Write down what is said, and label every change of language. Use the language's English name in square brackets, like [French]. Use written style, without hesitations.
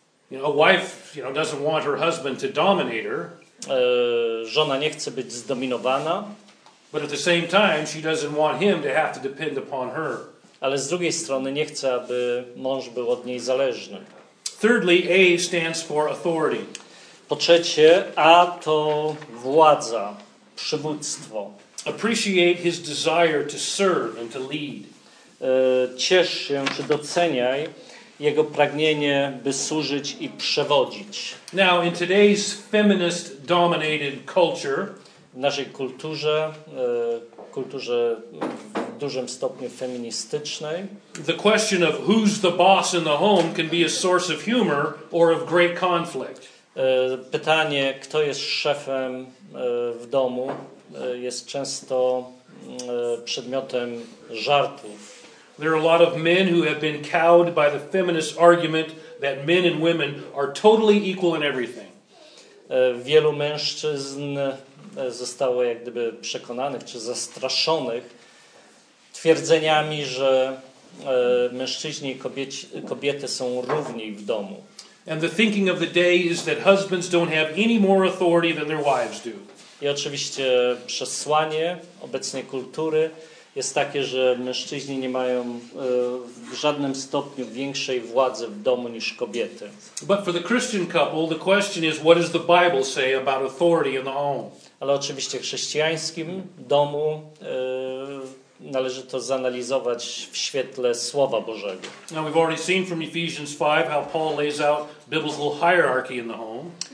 [English] You know, a wife, you know, doesn't want her husband to dominate her. [Polish] Żona nie chce być zdominowana. [English] But at the same time, she doesn't want him to have to depend upon her. [Polish] Ale z drugiej strony nie chce, aby mąż był od niej zależny. [English] Thirdly, A stands for authority. [Polish] Po trzecie, A to władza, przywództwo. [English] Appreciate his desire to serve and to lead. [Polish] Ciesz się, czy doceniaj jego pragnienie, by służyć i przewodzić. [English] Now, in today's feminist-dominated culture, [Polish] w naszej kulturze, kulturze w dużym stopniu feministycznej, [English] the question of who's the boss in the home can be a source of humor or of great conflict. [Polish] Pytanie, kto jest szefem w domu, jest często przedmiotem żartów. [English] There are a lot of men who have been cowed by the feminist argument that men and women are totally equal in everything. [Polish] Wielu mężczyzn zostało jak gdyby przekonanych czy zastraszonych twierdzeniami, że mężczyźni i kobiety są równi w domu. [English] And the thinking of the day is that husbands don't have any more authority than their wives do. [Polish] I oczywiście przesłanie obecnej kultury jest takie, że mężczyźni nie mają w żadnym stopniu większej władzy w domu niż kobiety. [English] But for the Christian couple, the question is, what does the Bible say about authority in the home? [Polish] Ale oczywiście w chrześcijańskim domu należy to zanalizować w świetle Słowa Bożego. [English] Now we've already seen from Ephesians 5 how Paul lays out biblical hierarchy in the home.